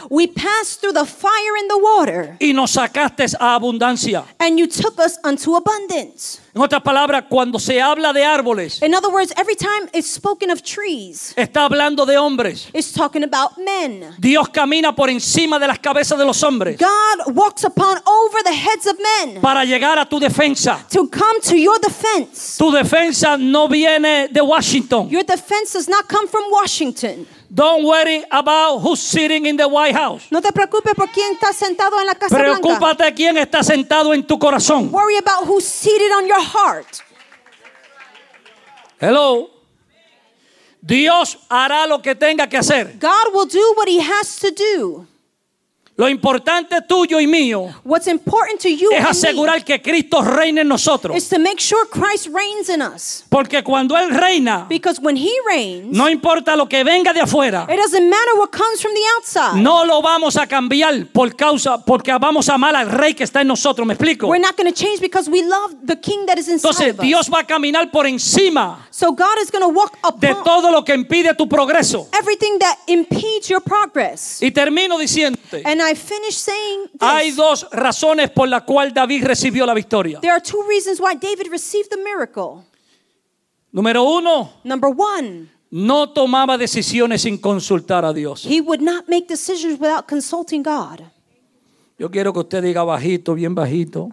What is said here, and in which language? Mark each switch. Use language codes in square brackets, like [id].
[en] We passed through the fire and the water. [es] Y nos sacaste a abundancia. [en] And you took us unto abundance. [es] En otras palabras, cuando se habla de árboles, [en] in other words, every time it's spoken of trees, [es] está hablando de hombres. [en] It's talking about men. [es] Dios camina por encima de las cabezas de los hombres. [en] God walks upon over the heads of men. [es] Para llegar a tu defensa. [en] To come to your defense. [es] Tu defensa no viene de Washington. [en] Your defense does not come from Washington. Don't worry about who's sitting in the White House. [es] No te preocupes por quién está sentado en la Casa Blanca. Preocúpate quién está sentado en tu corazón. [en] Worry about who's seated on your heart. [es] Hello. Dios hará lo que tenga que hacer. [en] God will do what he has to do. [es] Lo importante tuyo y mío [en] What's important to you [es] es asegurar que Cristo reine en nosotros. [en] Is to make sure Christ reigns in us. [es] Porque cuando Él reina, [en] Because when he reigns, [es] no importa lo que venga de afuera, [en] it doesn't matter what comes from the outside. [es] No lo vamos a cambiar por causa, porque vamos a amar al Rey que está en nosotros. ¿Me explico? [en] We're not going to change because we love the King that is inside [es] Entonces, [en] of us. [es] Entonces Dios va a caminar por encima [en] so God is going to walk upon [es] de todo lo que impide tu progreso. [en] Everything that impedes your progress. [es] Y termino diciéndote, [en] And I finish saying this. [es] Hay dos razones por la cual David recibió la victoria. [en] There are two reasons why David received the miracle. [es] Número uno, [en] Number one. [es] No tomaba decisiones sin consultar a Dios. [en] He would not make decisions without consulting God. [es] Yo quiero que usted diga bajito, bien bajito,